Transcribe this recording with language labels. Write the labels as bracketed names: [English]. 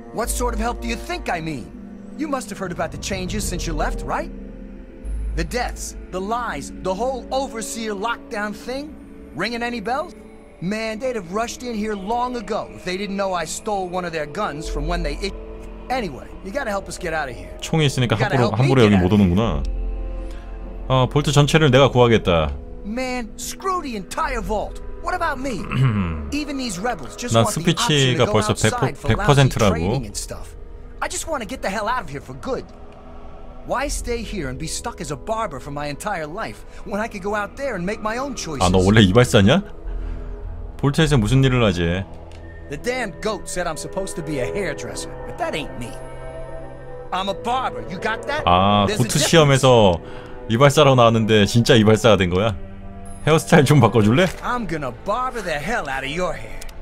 [English] What sort of help do you think I mean? You must have heard about the changes since you left, right? The deaths, the lies, the whole overseer lockdown thing? Ringing any bells? Man, they'd have rushed in here long ago if they didn't know I stole one of their guns from when they Anyway, you gotta help us get out of here. [Korean] 총이 있으니까 함부로 여기 못 오는구나. 아, 볼트 전체를 내가 구하겠다. [English] Man, screw the entire vault. What about me? Even these rebels just want the option to go outside for lousy training and stuff. I just want to get the hell out of here for good. Why stay here and be stuck as a barber for my entire life when I could go out there and make my own choices? [Korean] 아, 너 원래 이발사냐? 볼트에서 무슨 일을 하지? [English] The damned goat said I'm supposed to be a hairdresser, but that ain't me. I'm a barber. You got that? [Korean] 아, 고트 시험에서 이발사로 나왔는데 진짜 이발사가 된 거야? 헤어스타일 좀 바꿔줄래? [English] I'm gonna barber the hell out of your hair.